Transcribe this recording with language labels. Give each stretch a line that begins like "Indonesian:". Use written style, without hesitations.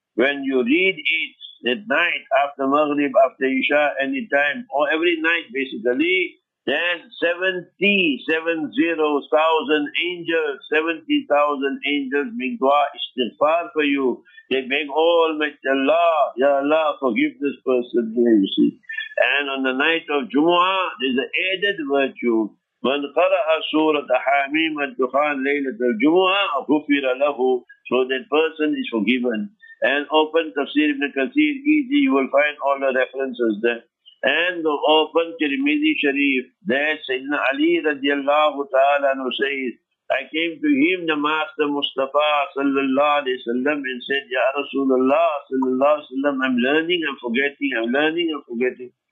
English: When you read it at night, after Maghrib, after Isha, any time, or every night basically, then 70,000 angels, 70,000 angels make dua istighfar for you. They make all make Allah, Ya Allah, forgive this person, you see. And on the night of Jumu'ah, there's an added virtue.
Arabic: من قرأ سورة حاميم الدخان ليلة الجمعة غفر له.
English: So that person is forgiven. And open Tafsir Ibn Kathir, easy, you will find all the references there. And open Tirmidhi Sharif, there Sayyidina Ali radiallahu ta'ala anhu says, I came to him, the Master Mustafa sallallahu alayhi wa sallam, and said, Ya Rasulullah sallallahu alayhi wa sallam, I'm learning and forgetting, I'm learning and forgetting.